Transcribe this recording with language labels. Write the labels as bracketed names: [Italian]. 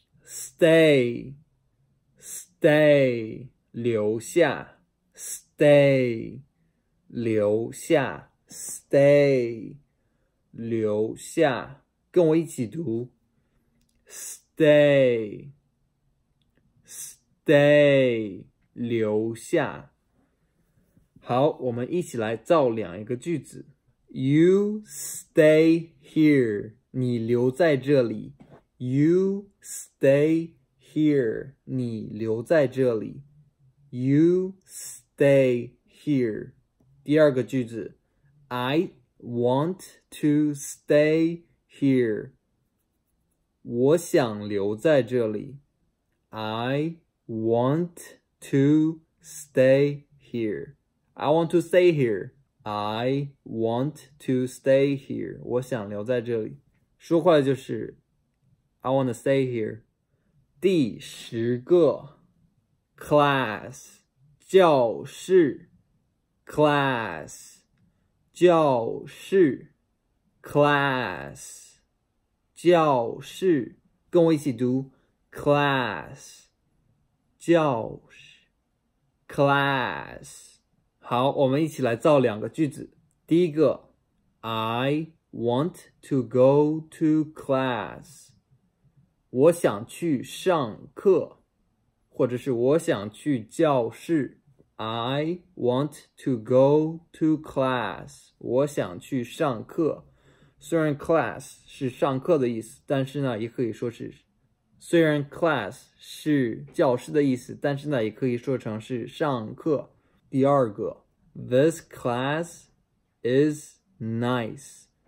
[English] Stay, stay, [Chinese] 留下, [English] stay, 留下, stay, 留下, [Chinese] 跟我一起读, [English] stay, stay, 留下。 [Chinese] 好,我们一起来造两个句子。 [English] You stay here, [Chinese] 你留在这里。 [English] You stay here, [Chinese] 你留在这里。 [English] You stay here. [Chinese] 第二个句子 [English] I want to stay here. [Chinese] 我想留在这里。 [English] I want to stay here. I want to stay here. I want to stay here. [Chinese] 我想留在这里。说快了就是 [English] I want to stay here. [Chinese] 第十个 class, 教室 class, 教室 class, 教室跟我一起读 class, 教室 class. 好我们一起来造两个句子。第一个 [English] I want to go to class. [Chinese] 我想去上课或者是我想去教室。 [English] I want to go to class. [Chinese] 我想去上课。虽然 class 是上课的意思，但是呢，也可以说是，虽然 class 是教室的意思，但是呢，也可以说成是上课。第二个 [English] ，This class is nice.